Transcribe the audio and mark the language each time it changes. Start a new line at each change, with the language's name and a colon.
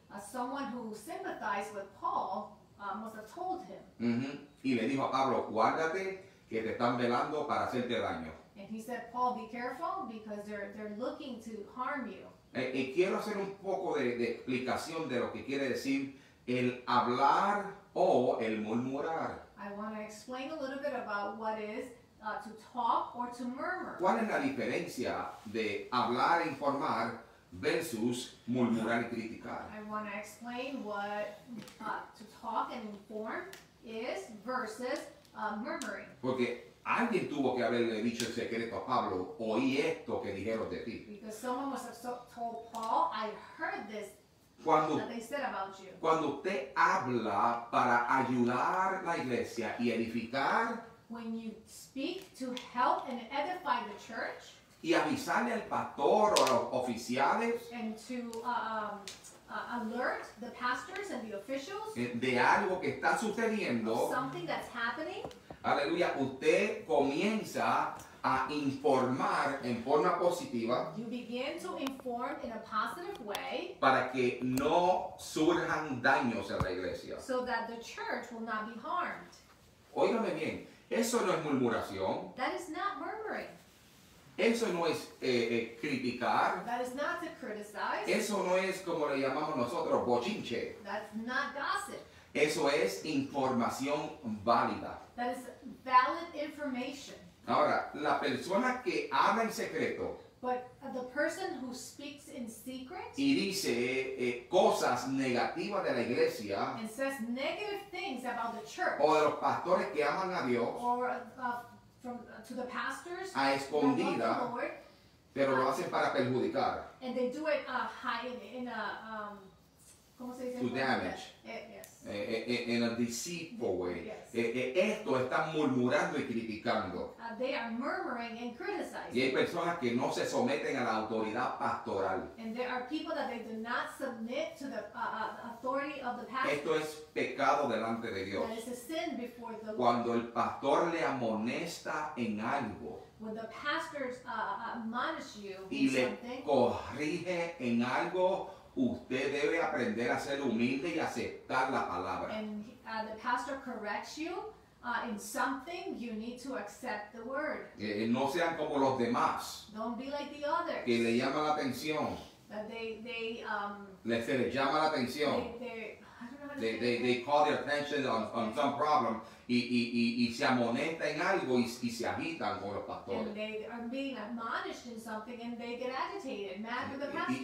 English: Someone who sympathized with Paul must have told him.
Spanish: Y le dijo a Pablo, guárdate que te están velando para hacerte daño.
English: And he said, Paul, be careful because they're looking to harm you.
Spanish: Y quiero hacer un poco de explicación de lo que quiere decir el hablar o el murmurar.
English: I want to explain a little bit about what is to talk or to murmur.
Spanish: ¿Cuál es la diferencia de hablar e informar versus murmurar y criticar?
English: I want to explain what to talk and inform is versus murmuring.
Spanish: Porque alguien tuvo que haberle dicho el secreto a Pablo, oí esto que dijeron de ti.
English: Because someone must have told Paul, I heard this.
Spanish: Cuando,
English: that they said about you.
Spanish: Cuando usted habla para ayudar la iglesia y edificar,
English: when you speak to help and edify the church,
Spanish: y avisarle al pastor o a los oficiales,
English: and to alert the pastors and the officials,
Spanish: de algo que está sucediendo,
English: something that's happening,
Spanish: aleluya, usted comienza a informar en forma positiva.
English: You begin to inform in a positive way.
Spanish: Para que no surjan daños en la iglesia.
English: So that the church will not be harmed.
Spanish: Óigame bien, eso no es murmuración.
English: That is not murmuring.
Spanish: Eso no es criticar.
English: That is not to criticize.
Spanish: Eso no es como le llamamos nosotros, bochinche.
English: That's not gossip.
Spanish: Eso es información válida.
English: That is valid information.
Spanish: Ahora, la persona que habla en secreto,
English: but the person who speaks in secret,
Spanish: y dice cosas negativas de la iglesia,
English: and says negative things about the church,
Spanish: o de los pastores que aman a Dios,
English: or to the pastors,
Spanish: a escondida,
English: Lord,
Spanish: pero lo hacen para perjudicar,
English: and they do it hide in a to damage. In a deceitful way.
Spanish: Esto están murmurando y criticando.
English: They are murmuring and criticizing.
Spanish: Y hay personas que no se someten a la autoridad pastoral.
English: And there are people that they do not submit to the authority of the pastor.
Spanish: Esto es pecado delante de Dios.
English: That is a sin before the Lord.
Spanish: Cuando el pastor le amonesta en algo,
English: when the pastors admonish you in
Spanish: something, y le corrige en algo, usted debe aprender a ser humilde y aceptar la palabra.
English: And the pastor corrects you in something, you need to accept the word.
Spanish: No sean como los demás.
English: Don't be like the others.
Spanish: Que le llama la atención.
English: That
Spanish: les llama la atención.
English: They call their attention on some problem.
Spanish: Y se amonesta en algo y se agitan con los pastores.
English: And they are being admonished in something and they get agitated, mad with the pastor.